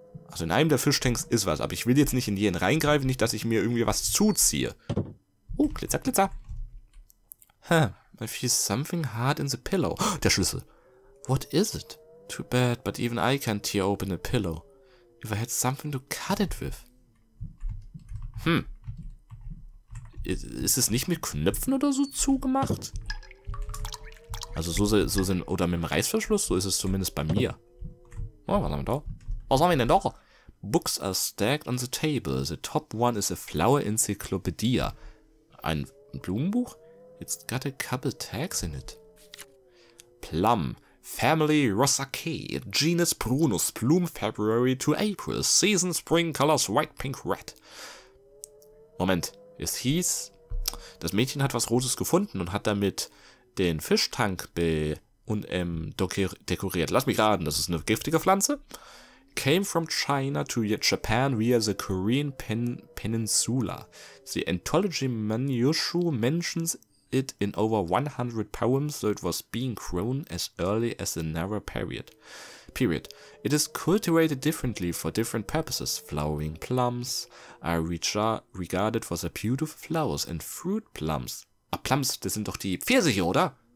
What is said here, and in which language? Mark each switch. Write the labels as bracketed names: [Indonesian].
[German] Also in einem der Fischtanks ist was, aber ich will jetzt nicht in jeden reingreifen, nicht, dass ich mir irgendwie was zuziehe. Glitzer, Glitzer. [English] Hm, I feel something hard in the pillow. [German] Der Schlüssel. [English] What is it? Too bad, but even I can't tear open a pillow. If I had something to cut it with. Hm. [German] Ist es nicht mit Knöpfen oder so zugemacht? Also so sind, oder mit dem Reißverschluss, so ist es zumindest bei mir. Oh, was haben wir da? Was haben wir denn da? [English] Books are stacked on the table. The top one is a flower encyclopedia. [German] Ein Blumenbuch? [English] It's got a couple tags in it. Plum. Family Rosaceae. Genus Prunus. Bloom February to April. Season Spring Colors White, Pink, Red. Moment. [German] Es hieß, das Mädchen hat was Roses gefunden und hat damit den Fischtank dekoriert. Lass mich raten, das ist eine giftige Pflanze. [English] Came from China to Japan via the Korean Peninsula. The Anthology Manyushu mentions it in over 100 poems, so it was being grown as early as the Nara period. It is cultivated differently for different purposes. Flowering plums are regarded for their beautiful flowers and fruit plums. [German] Ah, plums, das sind doch die Pfirsiche, oder?